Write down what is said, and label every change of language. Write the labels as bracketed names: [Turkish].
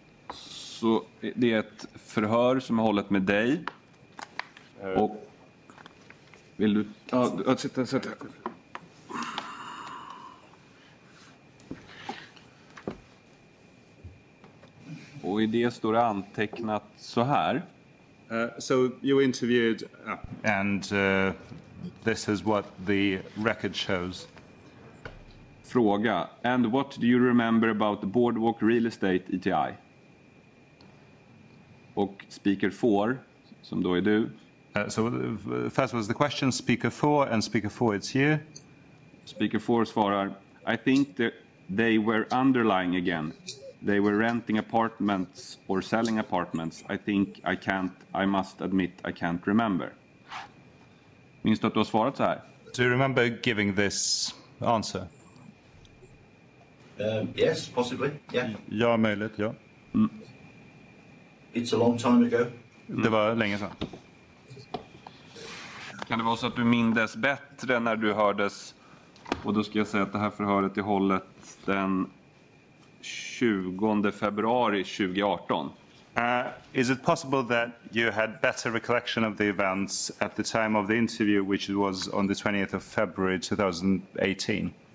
[Swedish] Så det är ett förhör som är hållet med dig. Och vill du... Sätta. Och i det står det antecknat så här. [English] So you interviewed and this is what the record shows. [Swedish] Fråga. [English] And what do you remember about the Boardwalk Real Estate ETI? [Swedish] Och speaker 4, som då är du. [English] So first was the question, speaker 4, and speaker 4 it's you. Speaker 4 [Swedish] svarar, [English] I think that they were underlying again. They were renting apartments or selling apartments. I think I can't, I must admit, I can't remember. [Swedish] Minns du att du har svarat så här? [English] Do you remember giving this answer? Yes, possibly, yeah. [Swedish] Ja, möjligt, ja. [English] It's a long time ago. [Swedish] Mm. Det var länge sedan. Kan det vara så att du mindes bättre när du hördes? Och då ska jag säga att det här förhöret i hållet den 20 februari 2018. [English] Is it possible that you had better recollection of the events at the time of the interview, which was on the 20th of February 2018?